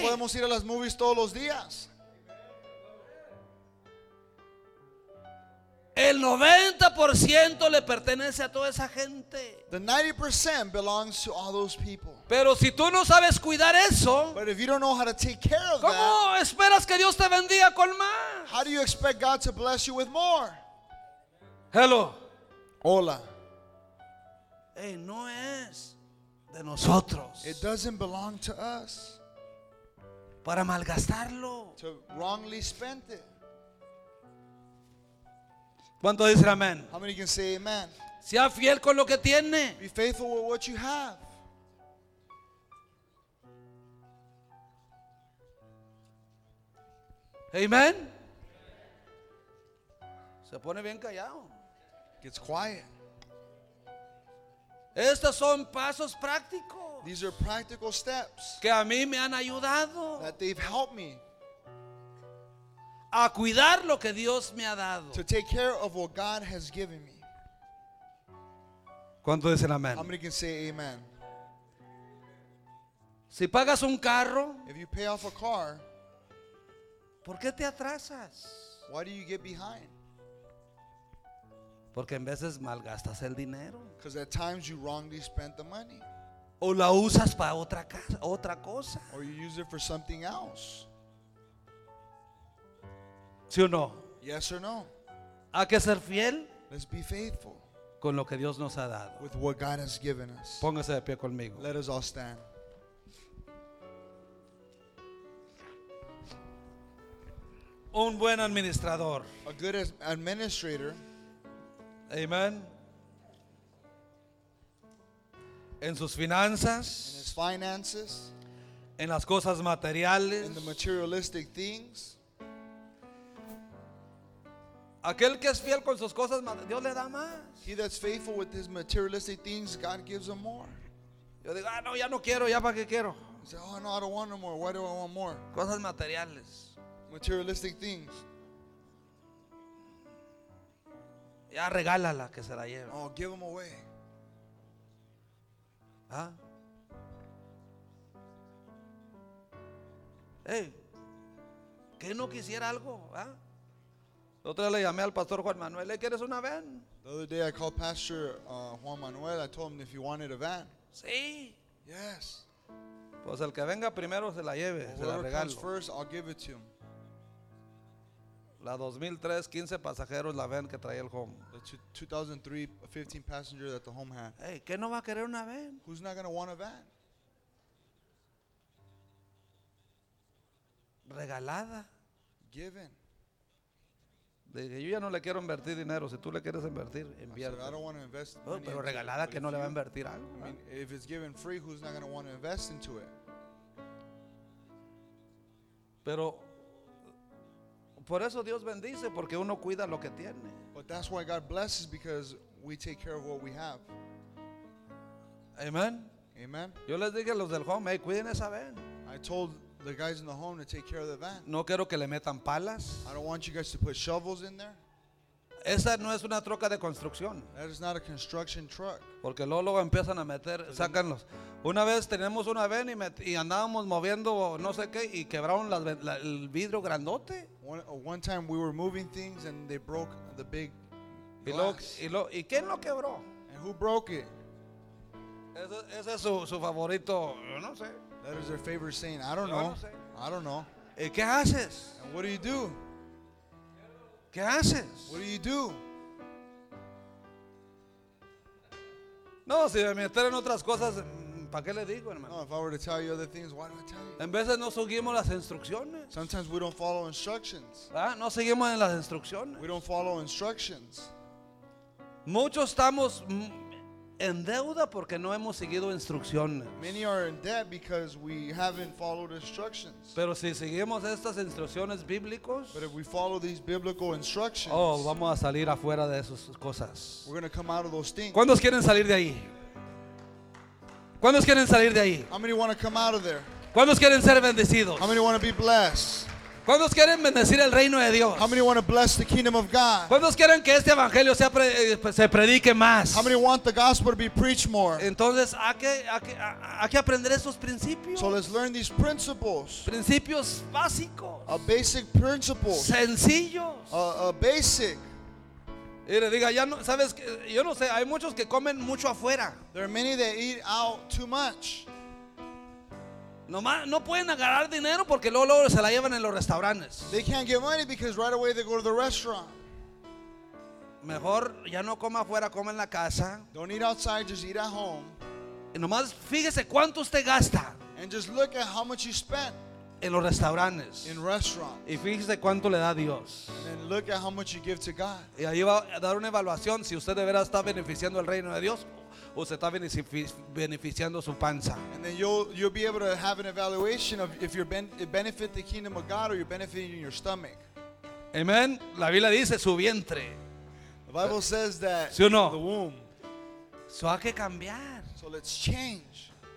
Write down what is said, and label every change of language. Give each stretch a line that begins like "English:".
Spanish: No podemos ir a las movies todos los días. El 90% le pertenece a toda esa gente.
English: The 90% belongs to all those people.
Spanish: Pero si tú no sabes cuidar eso,
English: but if you don't know how to take care of
Spanish: ¿cómo
English: that,
Spanish: esperas que Dios te bendiga con más?
English: How do you expect God to bless you with more? Hello.
Spanish: Hola. Hey, no es de nosotros.
English: It doesn't belong to us.
Spanish: Para malgastarlo.
English: To wrongly spend it.
Spanish: ¿Cuánto dice amén?
English: How many can say amen?
Spanish: Sea fiel con lo que tiene.
English: Be faithful with what you have. Amen.
Spanish: Se pone bien callado.
English: Gets quiet.
Spanish: Estos son pasos prácticos.
English: These are practical steps.
Spanish: Que a mí me han ayudado.
English: That they've helped me.
Spanish: A cuidar lo que Dios me ha dado.
English: To take care of what God has given me.
Spanish: ¿Cuánto dicen amén?
English: How many can say amen?
Spanish: Si pagas un carro,
English: if you pay off a car,
Spanish: ¿por qué te atrasas?
English: Why do you get behind?
Spanish: Porque en veces malgastas el dinero.
English: Because at times you wrongly spend the money.
Spanish: O la usas para otra cosa.
English: Or you use it for something else.
Spanish: ¿Sí o no?
English: Yes or no.
Spanish: Hay que ser fiel.
English: Let's be faithful.
Spanish: Con lo que Dios nos ha dado.
English: With what God has given us.
Spanish: Póngase de pie conmigo.
English: Let us all stand.
Spanish: Un buen administrador.
English: A good administrator. Amen.
Spanish: En sus finanzas.
English: In his finances.
Spanish: En las cosas materiales.
English: In the materialistic things.
Spanish: Aquel que es fiel con sus cosas, Dios le da más.
English: He that's faithful with his materialistic things, God gives him more.
Spanish: Yo digo, ah, no, ya no quiero, ya para qué quiero.
English: He said, oh, no, I don't want no more. Why do I want more?
Spanish: Cosas materiales.
English: Materialistic things.
Spanish: Ya regálala que se la lleve.
English: Oh, give them away. ¿Ah?
Spanish: Hey, ¿qué no quisiera algo? ¿Ah? Otra le llamé al pastor Juan Manuel. ¿Le quieres una van?
English: The other day I called Pastor Juan Manuel. I told him if he wanted a van.
Spanish: Sí.
English: Yes.
Spanish: Pues el que venga primero se la lleve, well, se la regalo.
English: Comes first, I'll give it to him.
Spanish: La 2003, 15 pasajeros, la van que traía el home.
English: The 2003, 15 passenger that the home had.
Spanish: Hey, ¿qué no va a querer una van?
English: Who's not going to want a van?
Spanish: Regalada.
English: Given.
Spanish: Dije, yo ya no le quiero invertir dinero. Si tú le quieres invertir, invierte.
English: I said, I don't want to invest money.
Spanish: Pero regalada que no le va a invertir algo.
English: I mean, if it's given free, who's not going to want to invest into it?
Spanish: Pero por eso Dios bendice, porque uno cuida lo que tiene.
English: But that's why God blesses, because we take care of what we have. Amen. Amen.
Spanish: Yo les dije a los del home, hey, cuiden esa van.
English: I told the guys in the home to take care of the van.
Spanish: No quiero que le metan palas.
English: I don't want you guys to put shovels in there.
Spanish: Esa no es una troca de construcción.
English: That is not a construction truck.
Spanish: Porque luego empiezan a meter, sácanlos. Una vez tenemos una van y andábamos moviendo no sé qué y quebraron el vidrio grandote.
English: One time we were moving things and they broke the big glass.
Spanish: ¿Y quién lo quebró?
English: And who broke it?
Spanish: Ese es su favorito, yo no sé.
English: That is their favorite saying. I don't know. I don't know.
Spanish: ¿Y qué haces?
English: And what do you do?
Spanish: ¿Qué haces?
English: What do you do?
Spanish: No, si me meter en otras cosas, ¿para qué le digo, hermano?
English: No, if I were to tell you other things, why do I tell you?
Spanish: En veces no seguimos las instrucciones.
English: Sometimes we don't follow instructions. ¿Ah?
Spanish: No seguimos en las instrucciones.
English: We don't follow instructions.
Spanish: Muchos estamos en deuda porque no hemos seguido instrucciones.
English: Many are in debt because we haven't followed instructions.
Spanish: Pero si seguimos estas instrucciones bíblicas,
English: but if we follow these biblical instructions,
Spanish: oh, vamos a salir afuera de esas cosas.
English: We're going to come out of those things.
Spanish: ¿Cuántos quieren salir de ahí? ¿Cuántos quieren salir de ahí?
English: How many want to come out of there?
Spanish: ¿Cuántos quieren ser bendecidos?
English: How many want to be blessed?
Spanish: ¿Cuántos quieren bendecir el reino de Dios?
English: How many want to bless the kingdom of God?
Spanish: ¿Cuántos quieren que este evangelio se predique más?
English: How many want the gospel to be preached more?
Spanish: Entonces, hay que aprender esos principios.
English: So let's learn these principles.
Spanish: Principios básicos.
English: A basic principle.
Spanish: Sencillos.
English: A basic.
Spanish: Mire, diga, ya no, sabes, yo no sé, hay muchos que comen mucho afuera.
English: There are many that eat out too much.
Spanish: No pueden agarrar dinero porque luego se la llevan en los restaurantes.
English: They can't get money because right away they go to the restaurant.
Spanish: Mejor ya no coma afuera, coma en la casa.
English: Don't eat outside, just eat at home.
Spanish: Y nomás fíjese cuánto usted gasta.
English: And just look at how much you spend.
Spanish: En los restaurantes.
English: In restaurants.
Spanish: Y fíjese cuánto le da Dios.
English: And then look at how much you give to God.
Spanish: Y ahí va a dar una evaluación si usted de verdad está beneficiando el reino de Dios. Usted está beneficiando su panza.
English: And then you'll be able to have an evaluation of if you're benefit the kingdom of God or you're benefiting your stomach.
Spanish: Amen. La Biblia dice su vientre.
English: The Bible says that
Spanish: ¿sí o no?
English: The womb.
Spanish: So hay que cambiar.
English: So let's change.